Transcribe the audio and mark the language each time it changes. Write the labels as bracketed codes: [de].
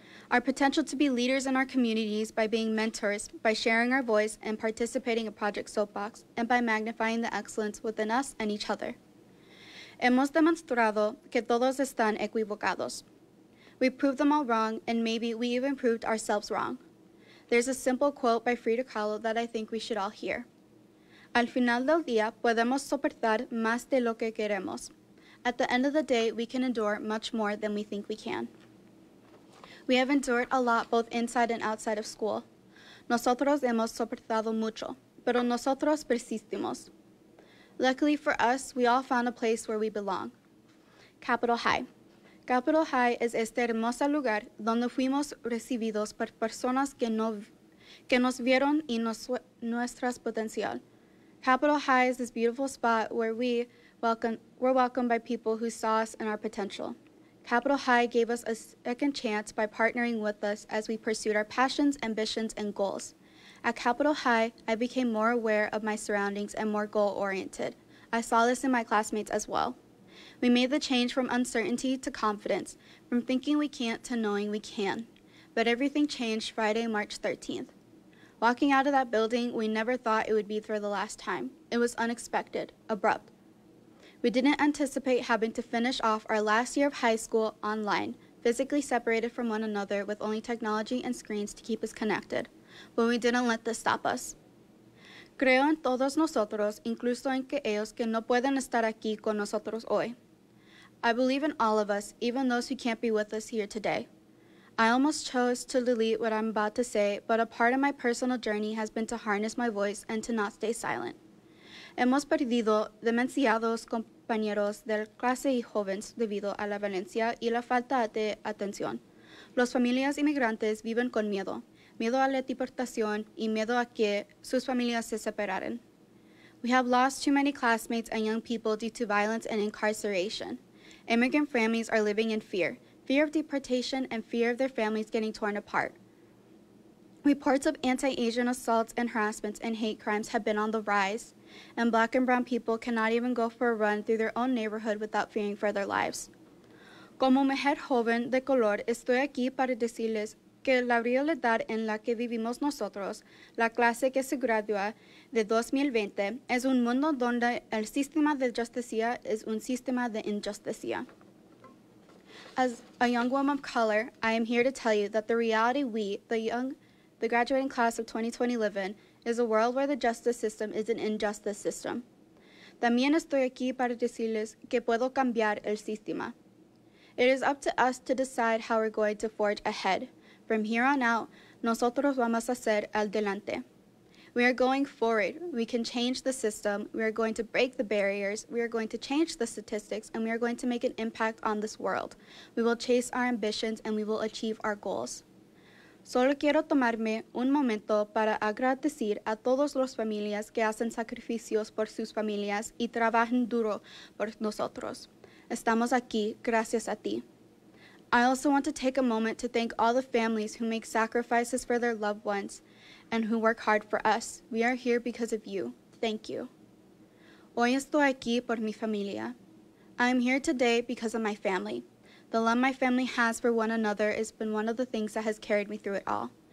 [en] Our potential to be leaders in our communities by being mentors, by sharing our voice and participating in Project Soapbox, and by magnifying the excellence within us and each other. [es] Hemos demostrado que todos están equivocados. [en] We proved them all wrong, and maybe we even proved ourselves wrong. There's a simple quote by Frida Kahlo that I think we should all hear. [es] Al final del día, podemos soportar más de lo que queremos. [en] At the end of the day, we can endure much more than we think we can. We have endured a lot both inside and outside of school. [es] Nosotros hemos soportado mucho, pero nosotros persistimos. [en] Luckily for us, we all found a place where we belong. Capitol High. [es] Capitol High es este hermoso lugar donde fuimos recibidos por personas que nos vieron y nuestras potencial. [en] Capitol High is this beautiful spot where we're welcomed by people who saw us and our potential. Capitol High gave us a second chance by partnering with us as we pursued our passions, ambitions, and goals. At Capitol High, I became more aware of my surroundings and more goal-oriented. I saw this in my classmates as well. We made the change from uncertainty to confidence, from thinking we can't to knowing we can. But everything changed Friday, March 13th. Walking out of that building, we never thought it would be for the last time. It was unexpected, abrupt. We didn't anticipate having to finish off our last year of high school online, physically separated from one another with only technology and screens to keep us connected. But we didn't let this stop us. [es] Creo en todos nosotros, incluso en que ellos que no pueden estar aquí con nosotros hoy. [en] I believe in all of us, even those who can't be with us here today. I almost chose to delete what I'm about to say, but a part of my personal journey has been to harness my voice and to not stay silent. [es] Hemos perdido demasiados compañeros de clase y jóvenes debido a la violencia y la falta de atención. Las familias inmigrantes viven con miedo. Miedo a la deportación y miedo a que sus familias se separaran. [en] We have lost too many classmates and young people due to violence and incarceration. Immigrant families are living in fear, fear of deportation and fear of their families getting torn apart. Reports of anti-Asian assaults and harassments and hate crimes have been on the rise, and Black and brown people cannot even go for a run through their own neighborhood without fearing for their lives. [es] Como mujer joven de color, estoy aquí para decirles que la realidad en la que vivimos nosotros, la clase que se gradúa de 2020, es un mundo donde el sistema de justicia es un sistema de injusticia. [en] As a young woman of color, I am here to tell you that the reality we, the graduating class of 2020 live in, is a world where the justice system is an injustice system. [es] También estoy aquí para decirles que puedo cambiar el sistema. [en] It is up to us to decide how we're going to forge ahead. From here on out, [es] nosotros vamos a hacer adelante. [en] We are going forward. We can change the system. We are going to break the barriers. We are going to change the statistics, and we are going to make an impact on this world. We will chase our ambitions, and we will achieve our goals. [es] Solo quiero tomarme un momento para agradecer a todos los familias que hacen sacrificios por sus familias y trabajan duro por nosotros. Estamos aquí gracias a ti. [en] I also want to take a moment to thank all the families who make sacrifices for their loved ones and who work hard for us. We are here because of you. Thank you. [es] Hoy estoy aquí por mi familia. [en] I am here today because of my family. The love my family has for one another has been one of the things that has carried me through it all.